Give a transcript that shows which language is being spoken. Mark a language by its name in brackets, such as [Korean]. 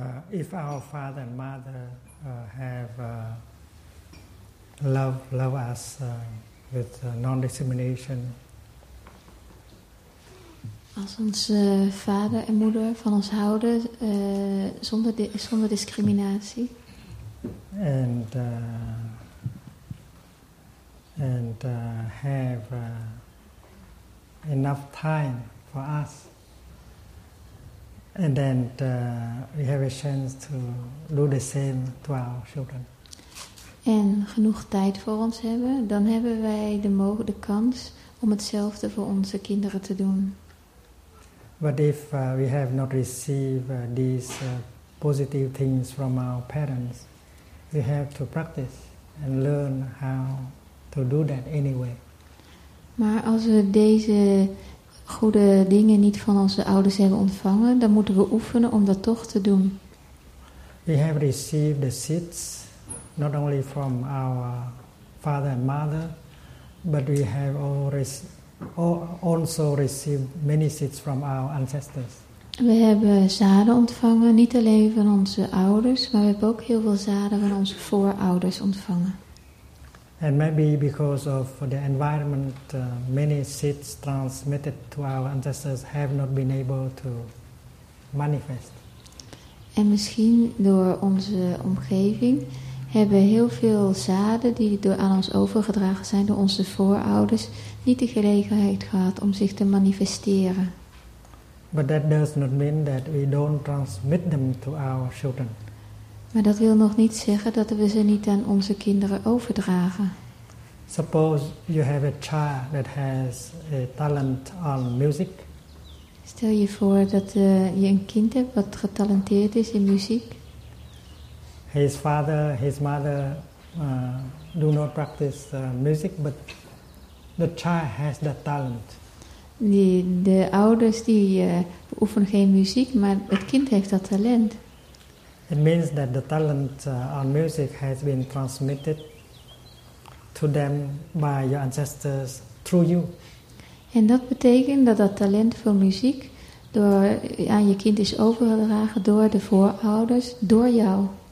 [English] If our father and mother have love us with non-discrimination. [Dutch] Als onze vader en moeder van ons houden zonder discriminatie. [English] And have enough time for us. And then we have a chance to do the same to our children. [Dutch] En genoeg tijd voor ons hebben, dan hebben wij de kans om hetzelfde voor onze kinderen te doen. [English] But if we have not received these positive things from our parents, we have to practice and learn how to do that anyway. [Dutch] Maar als we deze goede dingen niet van onze ouders hebben ontvangen, dan moeten we oefenen om dat toch te doen. [English] We have received the seeds, not only from our father and mother, but we have also received many seeds from our ancestors. [Dutch] We hebben zaden ontvangen, niet alleen van onze ouders, maar we hebben ook heel veel zaden van onze voorouders ontvangen. [English] And maybe because of the environment, many seeds transmitted to our ancestors have not been able to manifest. [Dutch] En misschien door onze omgeving hebben heel veel zaden die aan ons overgedragen zijn door onze voorouders niet de gelegenheid gehad om zich te manifesteren. [English] But that does not mean that we don't transmit them to our children. [Dutch] Maar dat wil nog niet zeggen dat we ze niet aan onze kinderen overdragen. [English] Suppose you have a child that has a talent on music. [Dutch] Stel je voor dat je een kind hebt wat getalenteerd is in muziek. [English] His father, his mother do not practice music, but the child has that talent. [Dutch] De ouders die beoefenen geen muziek, maar het kind heeft dat talent. [English] It means that the talent on music has been transmitted to them by your ancestors through you. [Dutch] En dat betekent dat dat talent voor muziek aan je kind is overgedragen door de voorouders, door jou.